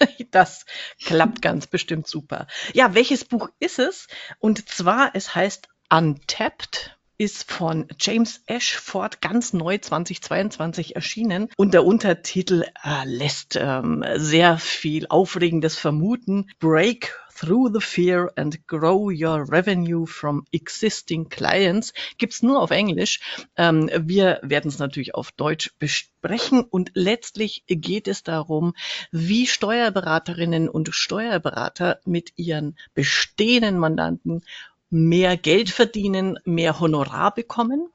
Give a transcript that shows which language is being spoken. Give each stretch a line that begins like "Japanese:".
German: Das klappt ganz bestimmt super. Ja, welches Buch ist es? Und zwar, es heißt Untapped, ist von James Ashford ganz neu 2022 erschienen. Und der Untertitel lässt sehr viel Aufregendes vermuten.
English: Break through the fear and grow your revenue from existing clients.
German: Gibt's nur auf Englisch. Wir werden es natürlich auf Deutsch besprechen. Und letztlich geht es darum, wie Steuerberaterinnen und Steuerberater mit ihren bestehenden Mandanten mehr Geld verdienen, mehr Honorar bekommen.